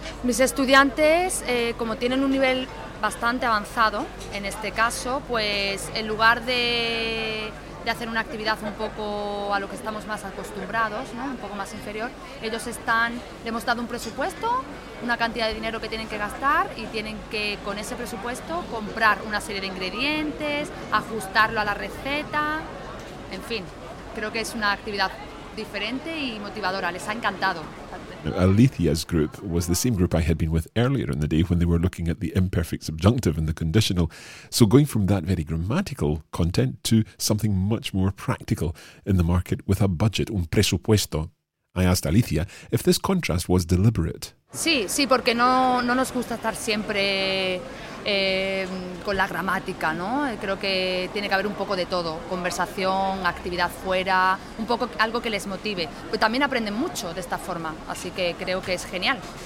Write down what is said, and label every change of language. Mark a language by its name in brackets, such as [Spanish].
[Spanish] Mis estudiantes, como tienen un nivel bastante avanzado, en este caso, pues en lugar de hacer una actividad un poco a lo que estamos más acostumbrados, ¿no? Un poco más inferior, ellos están, le hemos dado un presupuesto, una cantidad de dinero que tienen que gastar y tienen que, con ese presupuesto, comprar una serie de ingredientes, ajustarlo a la receta, en fin, creo que es una actividad diferente y motivadora, les ha encantado. [English] Now, Alicia's group was the same group I had been with earlier in the day when they were looking at the imperfect subjunctive and the conditional. So going from that very grammatical content to something much more practical in the market with a budget, un presupuesto. I asked Alicia if this contrast was deliberate. [Spanish] Sí, sí, porque no nos gusta estar siempre con la gramática, ¿no? Creo que tiene que haber un poco de todo, conversación, actividad fuera, un poco algo que les motive. Pues también aprenden mucho de esta forma, así que creo que es genial.